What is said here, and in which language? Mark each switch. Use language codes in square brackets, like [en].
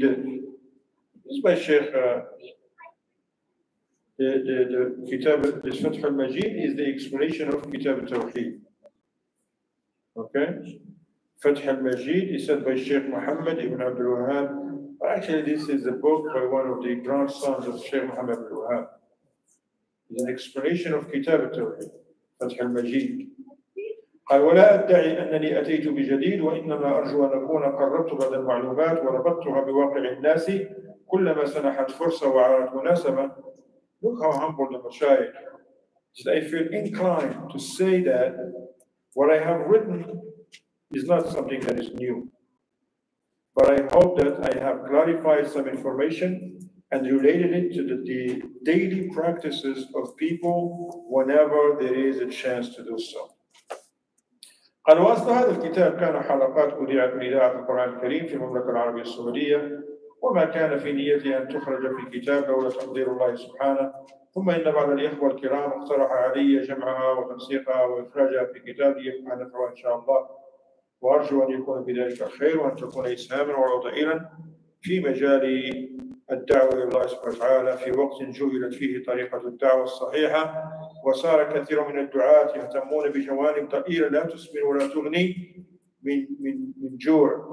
[en] This is by Sheikh, the Kitab al-Fath al-Majid is the explanation of Kitab al-Tawheed. Okay? Fath al-Majid is said by Sheikh Muhammad ibn Abdul Wahhab. Actually, this is a book by one of the grandsons of Sheikh Muhammad ibn Wahhab. It's an explanation of Kitab al-Tawheed, Fath al-Majid. [ar] قال ولا أدعي أنني أتيت بجديد وإنما أرجو أن أكون قربت بعض المعلومات وربطتها بواقع الناس كلما سنحت فرصة وعرضت مناسبة. [en] Look how humble the Mashayikh. He said, I feel inclined to say that what I have written is not something that is new. But I hope that I have clarified some information and related it to the daily practices of people whenever there is a chance to do so. [ar] قال واصل هذا الكتاب كان حلقات أذيعت من إذاعة القرآن الكريم في المملكة العربية السعودية وما كان في نيتي أن تخرج في كتاب لولا تقدير الله سبحانه. ثم إن بعض الإخوة الكرام اقترح علي جمعها وتنسيقها وإخراجها في كتابي، فنفعل إن شاء الله، وأرجو أن يكون بذلك الخير وأن تكون إسهاما وتضعيلا في مجال الدعوة إلى الله سبحانه وتعالى في وقت جهلت فيه طريقة الدعوة الصحيحة، وصار كثير من الدعاة يهتمون بجوانب ضئيلة لا تسمن ولا تغني من جوع